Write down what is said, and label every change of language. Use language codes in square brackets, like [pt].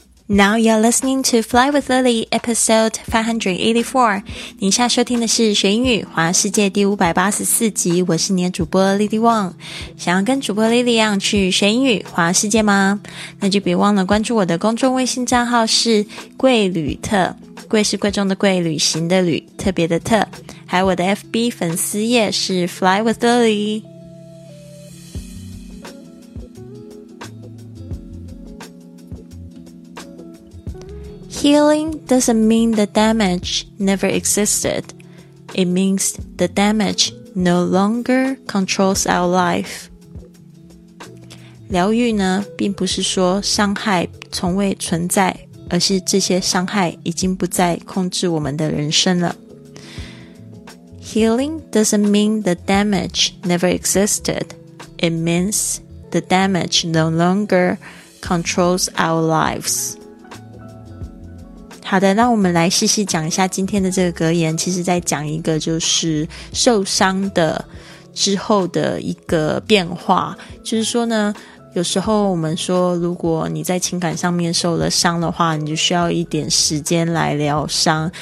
[en] Now you're listening to Fly with Lily, episode 584. [zh] 你现在收听的是学英语环游世界第584集，我是你的主播 Lily Wang。想要跟主播 Lily 一样去学英语环游世界吗？那就别忘了关注我的公众微信账号是贵旅特，贵是贵重的贵，旅行的旅，特别的特。还有我的 FB 粉丝页是 Fly with Lily。 [en] Healing doesn't mean the damage never existed. It means the damage no longer controls our life. [zh] 疗愈呢，并不是说伤害从未存在，而是这些伤害已经不再控制我们的人生了。 [en] Healing doesn't mean the damage never existed. It means the damage no longer controls our lives. [zh] 好的，那我们来细细讲一下今天的这个格言，其实在讲一个就是受伤的之后的一个变化。就是说呢，有时候我们说如果你在情感上面受了伤的话，你就需要一点时间来疗伤。